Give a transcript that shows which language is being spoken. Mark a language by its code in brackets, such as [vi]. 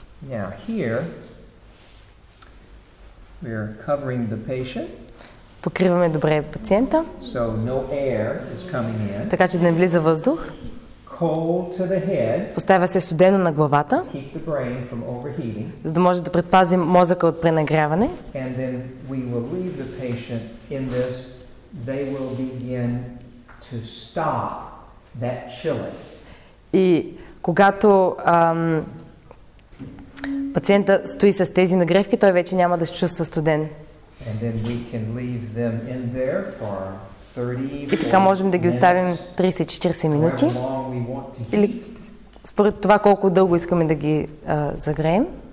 [en] Now, here, we are covering the patient. [bg] Покриваме добре пациента. [en] So, no air is coming in. [bg] Така че да не влиза въздух. [en] Cold to the head. [bg] Поставя се студено на главата. [en] Keep the brain from overheating. [bg] За да може да предпазим мозъка от пренагряване. [en] And then we will leave the patient in this. They will begin to stop that chilling. [bg] И когато пациента стои с тези нагревки, той вече няма да се чувства студен. [en] And then we can leave them in there for. [bg] И така можем да ги оставим 30-40 минути или според това колко дълго искаме да ги загреем.